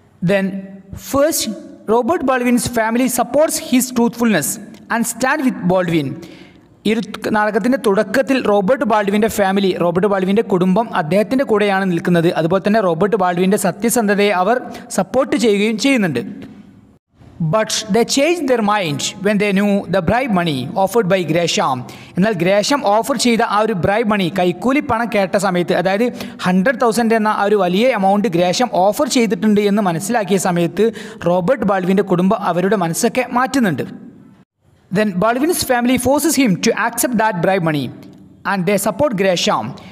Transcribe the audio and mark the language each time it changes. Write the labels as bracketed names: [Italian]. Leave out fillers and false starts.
[English] Then first Robert Baldwin's family supports his truthfulness and stand with Baldwin. [Malayalam] ഈ ഒരു നാടകത്തിൻ്റെ തുടക്കത്തിൽ റോബർട്ട് ബാൽവിൻ്റെ ഫാമിലി, റോബർട്ട് ബാൽവിൻ്റെ കുടുംബം അദ്ദേഹത്തിൻ്റെ കൂടെയാണ് നിൽക്കുന്നത്. അതുപോലെ തന്നെ റോബർട്ട് ബാൽവിൻ്റെ സത്യസന്ധതയെ അവർ സപ്പോർട്ട് ചെയ്യുകയും ചെയ്യുന്നുണ്ട്. [English] But they changed their mind when they knew the bribe money offered by Gresham. [Malayalam] എന്നാൽ ഗ്രേഷം ഓഫർ ചെയ്ത ആ ഒരു ബ്രൈബ് മണി, കൈക്കൂലി പണം കേട്ട സമയത്ത്, അതായത് 100,000 എന്ന ആ ഒരു വലിയ എമൗണ്ട് ഗ്രേഷം ഓഫർ ചെയ്തിട്ടുണ്ട് എന്ന് മനസ്സിലാക്കിയ സമയത്ത് റോബർട്ട് ബാൽവിൻ്റെ കുടുംബം അവരുടെ മനസ്സൊക്കെ മാറ്റുന്നുണ്ട്. [English] Then Baldwin's family forces him to accept that bribe money and they support Gresham.